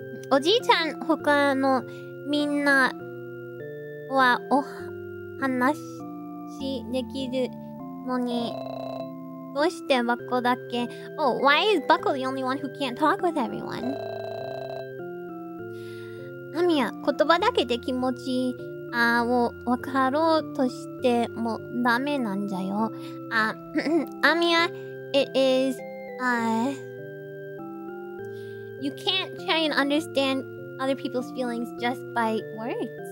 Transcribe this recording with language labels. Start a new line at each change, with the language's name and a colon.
Japanese: おじいちゃん、他のみんなはお話しできるのに、どうしてバコだけ
English: Oh, why is Bucko the only one who can't talk with everyone?
Japanese: アミヤ、言葉だけで気持ちを分かろうとしてもダメなんじゃよ。
English: アミヤ、it is, You can't try and understand other people's feelings just by words.